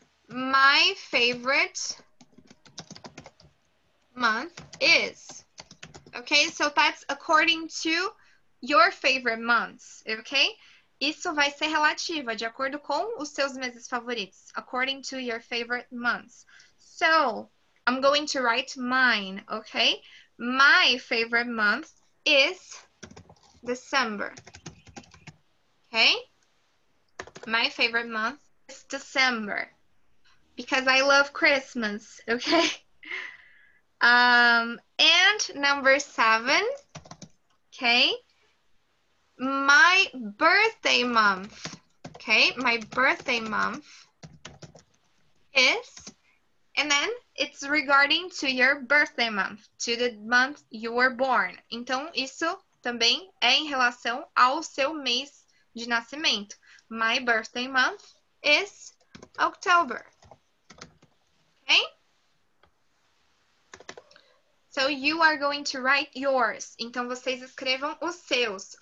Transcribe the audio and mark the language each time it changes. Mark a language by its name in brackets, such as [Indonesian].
[English] My favorite month is, okay, so that's according to your favorite months, okay? [Portuguese] Isso vai ser relativa, de acordo com os seus meses favoritos. [English] According to your favorite months. So, I'm going to write mine, okay? My favorite month is December. Okay? my favorite month is December because I love Christmas, okay? And number 7, okay? My birthday month, okay? My birthday month is, and then it's regarding to your birthday month, to the month you were born. [Portuguese] Então, isso também é em relação ao seu mês de nascimento. [English] My birthday month is October. Okay? So you are going to write yours. [Portuguese] Então, vocês escrevam os seus.